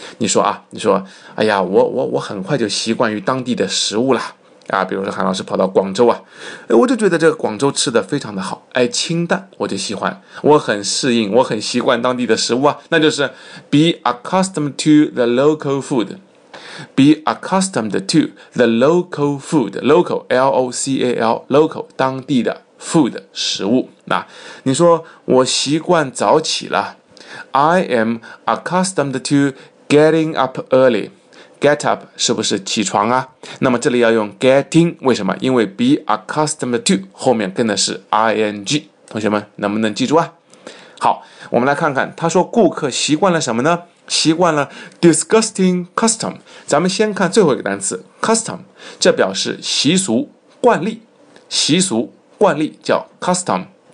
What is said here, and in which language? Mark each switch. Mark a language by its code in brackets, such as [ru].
[zh] 你说啊，你说哎呀，我很快就习惯于当地的食物了啊，比如说韩老师跑到广州啊，我就觉得这个广州吃的非常的好，哎，清淡，我就喜欢，我很适应，我很习惯当地的食物啊，那就是 be accustomed to the local food, be accustomed to the local food, local, L-O-C-A-L, local, 当地的 food, 食物。那你说我习惯早起了， [en] I am accustomed to getting up early. [zh] Get up 是不是起床啊？那么这里要用 getting， 为什么？因为 be accustomed to 后面跟的是 ing。同学们能不能记住啊？好，我们来看看，他说顾客习惯了什么呢？习惯了 disgusting custom。咱们先看最后一个单词 custom， 这表示习俗、惯例，习俗、惯例叫 custom。